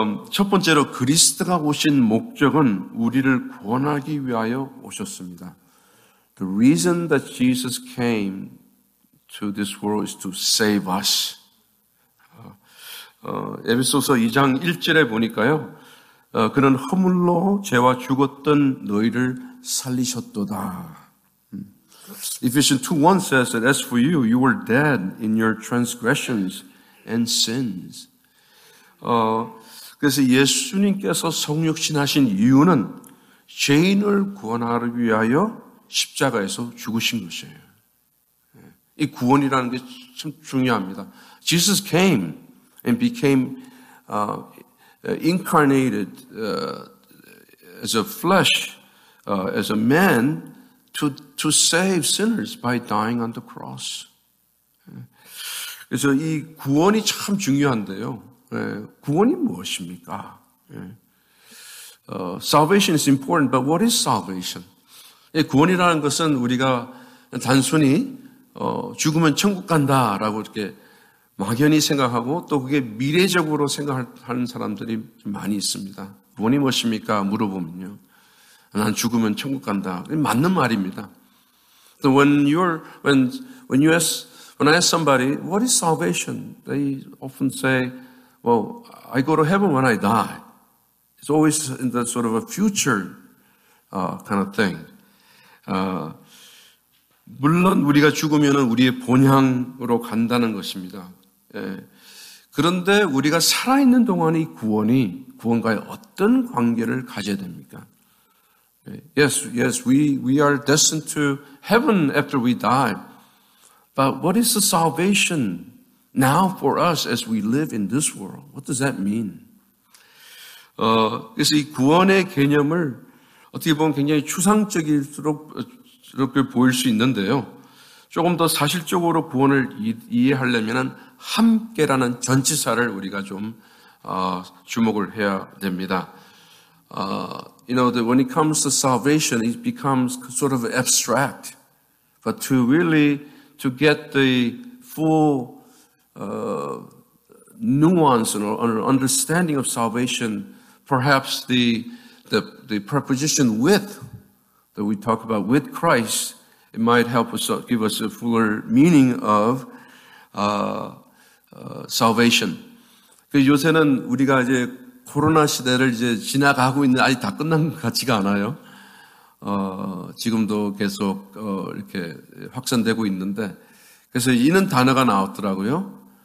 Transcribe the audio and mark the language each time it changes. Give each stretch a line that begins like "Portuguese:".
Korean: 첫 번째로 그리스도가 오신 목적은 우리를 구원하기 위하여 오셨습니다.
English: The reason that Jesus came to this world is to save us.
Korean: 에베소서 2장 1절에 보니까요. 그는 허물로 죄와 죽었던 너희를 살리셨도다.
English: Ephesians 2:1 says that as for you, you were dead in your transgressions and sins.
Korean: 그래서 예수님께서 성육신 하신 이유는 죄인을 구원하기 위하여 십자가에서 죽으신 것이에요. 이 구원이라는 게 참 중요합니다.
English: Jesus came and became incarnated as a flesh, as a man, to save sinners by dying on the cross.
Korean: 그래서 이 구원이 참 중요한데요. 구원이 무엇입니까?
English: Salvation is important, but what is salvation?
Korean: 구원이라는 것은 우리가 단순히 죽으면 천국 간다라고 이렇게 막연히 생각하고 또 그게 미래적으로 생각하는 사람들이 많이 있습니다. 구원이 무엇입니까? 물어보면요. 난 죽으면 천국 간다. 맞는 말입니다.
English: So when I ask somebody, what is salvation? They often say, well, I go to heaven when I die. It's always in the sort of a future kind of thing.
Korean: 물론 우리가 죽으면 우리의 본향으로 간다는 것입니다. 예. 그런데 우리가 살아있는 동안 이 구원이 구원과의 어떤 관계를 가져야 됩니까?
English: Yes, we are destined to heaven after we die. But what is the salvation now for us as we live in this world? What does that mean?
Korean: 그래서 이 구원의 개념을 어떻게 보면 굉장히 추상적일수록 보일 수 있는데요. 조금 더 사실적으로 구원을 이해하려면 함께라는 전치사를 우리가 좀 주목을 해야 됩니다.
English: You know, that when it comes to salvation, it becomes sort of abstract. But to really, to get the full nuance or understanding of salvation, perhaps the preposition with, that we talk about with Christ, it might help us give us a fuller meaning of salvation.
Korean: 요새는 우리가 이제 코로나 시대를 이제 지나가고 있는 아직 다 끝난 것 같지가 않아요. 지금도 계속 이렇게 확산되고 있는데 그래서 이런 단어가 나왔더라고요.